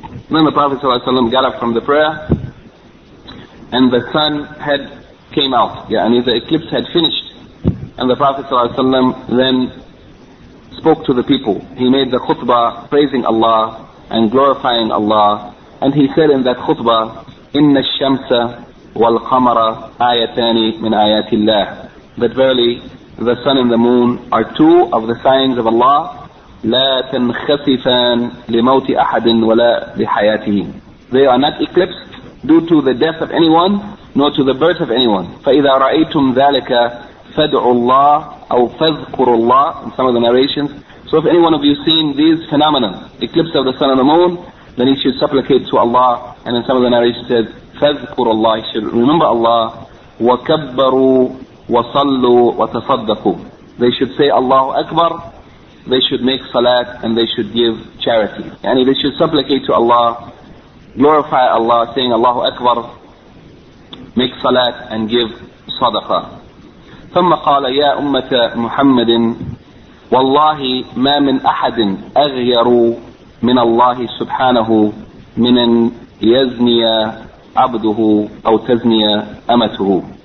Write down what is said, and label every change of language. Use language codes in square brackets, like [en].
[en] Then the Prophet ﷺ got up from the prayer, and the sun had came out, yani the eclipse had finished. And the Prophet ﷺ then spoke to the people. He made the khutbah praising Allah and glorifying Allah. And he said in that khutbah, [ar] إِنَّ الشَّمْسَ وَالْقَمَرَ آيَتَانِ مِنْ آيَاتِ اللَّهِ. [en] That verily the sun and the moon are two of the signs of Allah. [ar] لَا تَنْخَسِفَانْ لِمَوْتِ أَحَدٍ وَلَا لِحَيَاتِهِ. [en] They are not eclipsed due to the death of anyone, nor to the birth of anyone. [ar] فَإِذَا رَأَيْتُمْ ذَلِكَ فَدْعُوا اللَّهِ أَوْ فَذْكُرُوا اللَّهِ [en] in some of the narrations. So if any one of you seen these phenomena, eclipse of the sun and the moon, then he should supplicate to Allah. And in some of the narrations it says, [ar] فَذْكُرُوا اللَّهِ, [en] he should remember Allah. [ar] وكبروا وصلوا وتصدقوا. [en] They should say [ar] الله أكبر. [en] They should make salat and they should give charity. يعني they should supplicate to Allah, glorify Allah, saying [ar] الله أكبر, [en] make salat and give صدقة. [ar] ثم قال يا أمة محمد والله ما من أحد أغير من الله سبحانه من أن يزني عبده أو تزني أمته.